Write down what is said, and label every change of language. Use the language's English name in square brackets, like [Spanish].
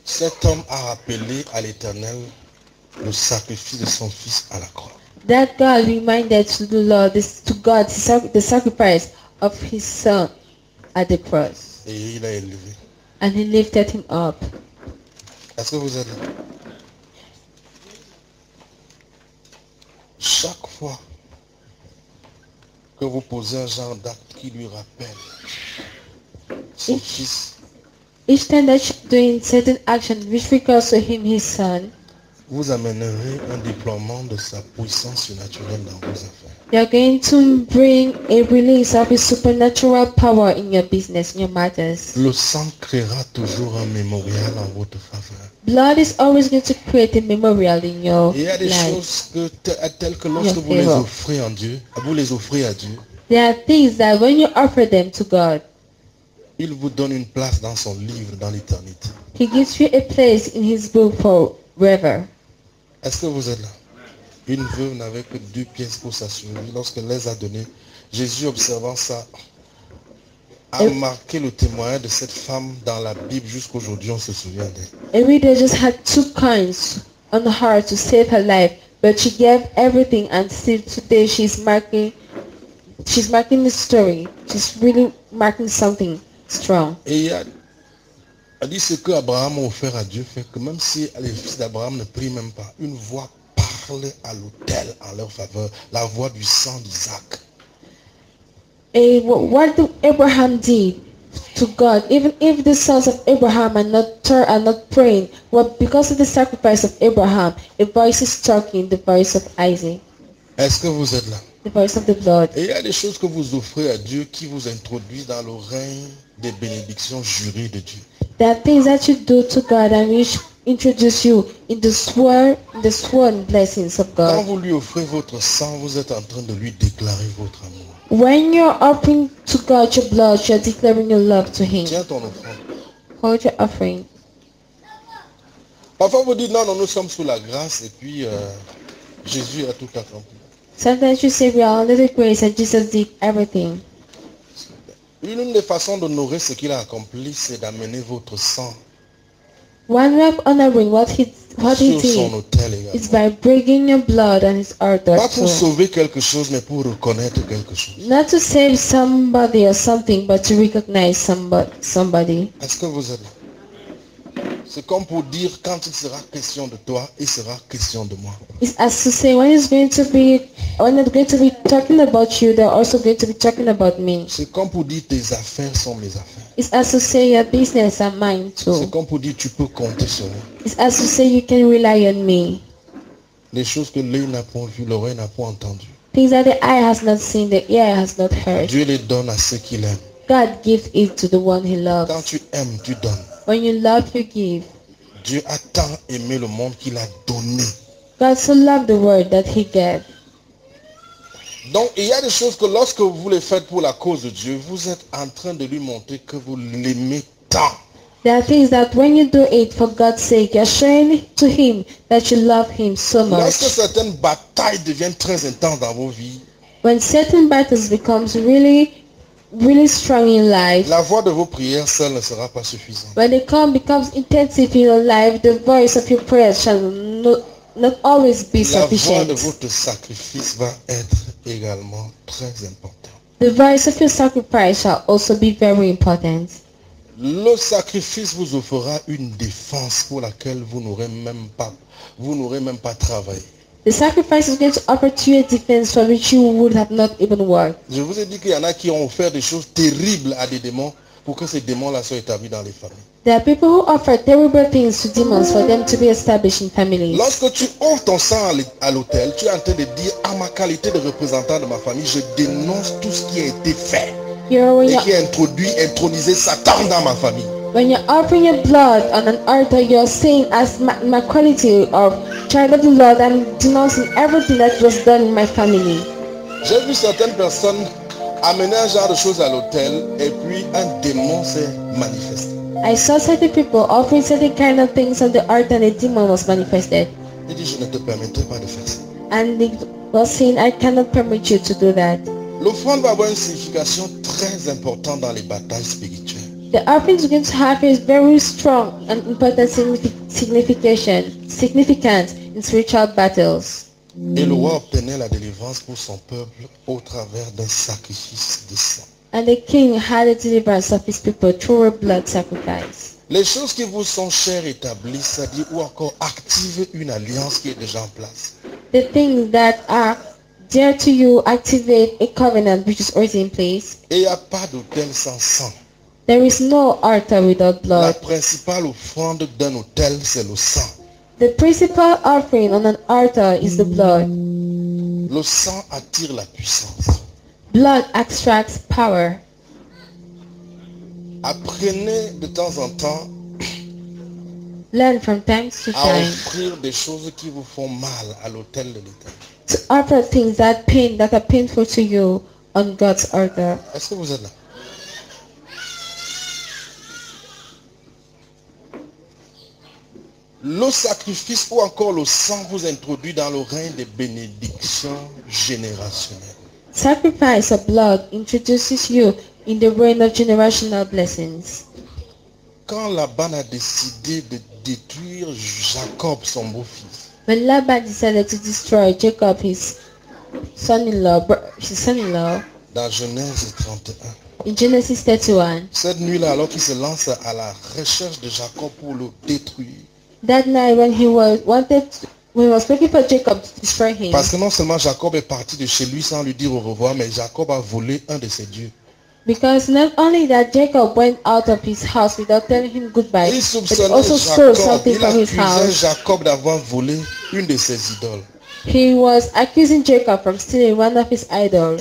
[French] Cet homme a rappelé à l'Éternel le sacrifice de son fils à la croix. [English] That God reminded to the Lord, to God, the sacrifice of his son at the cross. [French] Et il a élevé. [English] And he lifted him up. [French] Est-ce que vous êtes là? Chaque fois que vous posez un genre d'acte qui lui rappelle son fils. [English] Each time that you're doing certain action which recalls to him his son. [French] Vous amènerez un déploiement de sa puissance surnaturelle dans vos affaires. [English] You're going to bring a release of his supernatural power in your business, in your matters. [French] Le sang créera toujours un mémorial en votre faveur. [English] Blood is always going to create a memorial in your life. [French] Il y a des choses que telles que lorsque vous les offrez en Dieu, vous les offrez à Dieu. [English] There are things that when you offer them to God, [French] il vous donne une place dans son livre dans l'éternité. [English] He gives you a place in his book for forever. [French] Est-ce que vous êtes là? Une veuve n'avait que deux pièces pour sa survie. Lorsqu'elle les a données, Jésus, observant ça, a marqué le témoignage de cette femme dans la Bible jusqu'à aujourd'hui, on se souvient d'elle. [English] Every day just had two coins on her to save her life, but she gave everything and still today she's marking the story. She's really marking something strong. [French] Et elle dit ce que Abraham a offert à Dieu fait que même si les fils d'Abraham ne prient même pas, une voix parlait à l'autel en leur faveur, la voix du sang d'Isaac. [English] And what did Abraham did to God, even if the sons of Abraham are not praying, well, because of the sacrifice of Abraham, a voice is talking, the voice of Isaac. [French] Est-ce que vous êtes là? [English] The voice of the blood. [French] Et il y a des choses que vous offrez à Dieu qui vous introduisent dans le règne des bénédictions jurées de Dieu. [English] There are things that you do to God and which introduce you in the sworn blessings of God. [French] Quand vous lui offrez votre sang, vous êtes en train de lui déclarer votre amour. [English] When you're offering to God your blood, you're declaring your love to him. [French] Tiens ton offrande. [English] Hold your offering. [French] Parfois vous dites, non, nous sommes sous la grâce et puis Jésus a tout accompli. [English] Sometimes you say, we are under the grace and Jesus did everything. [French] Une des façons d'honorer ce qu'il a accompli, c'est d'amener votre sang. [English] One way of honoring what he did is by bringing your blood and his altar. [French] Pas pour sauver quelque chose, mais pour reconnaître quelque chose. [English] Not to save somebody or something, but to recognize somebody. [French] Est-ce que vous êtes là? C'est comme pour dire quand il sera question de toi, il sera question de moi. [English] It's as to say when it's going to be talking about you, they're also going to be talking about me. [French] C'est comme pour dire tes affaires sont mes affaires. [English] It's as to say your business are mine too. [French] C'est comme pour dire tu peux compter sur moi. [English] It's as to say you can rely on me. [French] Les choses que l'œil n'a pas vu, l'oreille n'a pas entendu. [English] Things that the eye has not seen, the ear has not heard. [French] Dieu les donne à ceux qu'il aime. [English] God gives it to the one he loves. [French] Quand tu aimes, tu donnes. [English] When you love, you give. [French] Dieu a tant aimé le monde qu'il a donné. [English] God so loved the world that he gave. [French] Donc, il y a des choses que lorsque vous les faites pour la cause de Dieu, vous êtes en train de lui montrer que vous l'aimez tant. [English] There are things that when you do it for God's sake, you're showing to him that you love him so much. [French] Lorsque certaines batailles deviennent très intenses dans vos vies, [English] when certain battles becomes really really strong in life. [French] La voix de vos prières seule ne sera pas suffisante. [English] When it becomes intensive in your life, the voice of your prayers shall not always be sufficient. [French] La voix de votre sacrifice va être également très importante. [English] The voice of your sacrifice shall also be very important. [French] Le sacrifice vous offrira une défense pour laquelle vous n'aurez même pas travaillé. [English] The sacrifice is going to offer to you a defense for which you would have not even worked. [French] Je vous ai dit qu'il y en a qui ont offert des choses terribles à des démons pour que ces démons-là soient établis dans les familles. [English] There are people who offer terrible things to demons for them to be established in families. [French] Lorsque tu ouvres ton sang à l'autel, tu es en train de dire, à ma qualité de représentant de ma famille, je dénonce tout ce qui a été fait. Et qui a introduit, intronisé Satan dans ma famille. [English] When you're offering your blood on an altar, you're saying as my quality of child of the Lord, I'm denouncing everything that was done in my family. [French] J'ai vu certaines personnes amener un genre de choses à l'autel et puis un démon s'est manifesté. [English] I saw certain people offering certain kind of things on the altar and a demon was manifested. [French] Il dit, je ne te permettrai pas de faire ça. [English] And he was saying, I cannot permit you to do that. [French] L'offrande va avoir une signification très importante dans les batailles spirituelles. [English] The offering you're going to have is very strong and important significant in spiritual battles. [French] Et le roi obtenait la délivrance pour son peuple au travers d'un sacrifice de sang. [English] And the king had a deliverance of his people through a blood sacrifice. [French] Les choses qui vous sont chères établies, c'est-à-dire ou encore activez une alliance qui est déjà en place. [English] The things that are dear to you, activate a covenant which is already in place. [French] Et il n'y a pas d'autel sans sang. [English] There is no altar without blood. [French] La principale offrande d'un autel, c'est le sang. [English] The principal offering on an altar is the blood. [French] Le sang attire la puissance. [English] Blood attracts power. [French] Apprenez de temps en temps. [English] Learn from time to time. [French] À offrir des choses qui vous font mal à l'autel de l'éternel. [English] To offer things that pain that are painful to you on God's altar. [French] Est-ce que vous êtes là? Le sacrifice ou encore le sang vous introduit dans le règne des bénédictions générationnelles. [English] Sacrifice of blood introduces you in the reign of generational blessings. [French] Quand Laban a décidé de détruire Jacob, son beau-fils. [English] When Laban decided to destroy Jacob, his son-in-law, [French] Dans Genèse 31. [English] In Genesis 31. [French] Cette nuit-là, alors qu'il se lance à la recherche de Jacob pour le détruire. [English] That night when when he was looking for Jacob to destroy him. [French] Parce que non seulement Jacob est parti de chez lui sans lui dire au revoir, mais Jacob a volé un de ses dieux. [English] Because not only that Jacob went out of his house without telling him goodbye, but he also stole something from his house. [French] Il accusait Jacob d'avoir volé une de ses idoles. [English] He was accusing Jacob from stealing one of his idols.